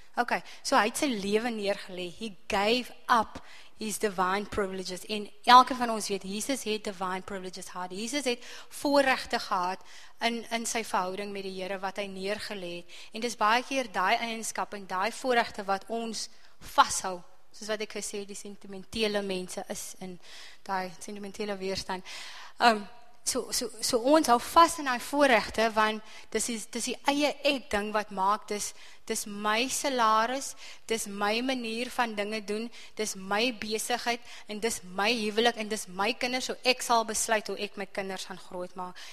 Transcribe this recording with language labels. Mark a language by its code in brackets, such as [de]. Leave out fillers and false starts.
[af] Okay, so hy het sy lewe neergelê. [en] He gave up his divine privileges. [af] En elke van ons weet, Jesus het divine privileges gehad. Jesus het voorregte gehad in sy verhouding met die Here wat hy neergelê het. En dis baie keer daai eienskap en daai voorregte wat ons vashou, soos wat ek gesê, die sentimentele mense is in die sentimentele weerstand. So ons hou vas in die voorregte, want dis die eie ek ding wat maak, dis my salaris, dis my manier van dinge doen, dis my besigheid, en dis my huwelik, en dis my kinders, so ek sal besluit hoe ek my kinders gaan grootmaak.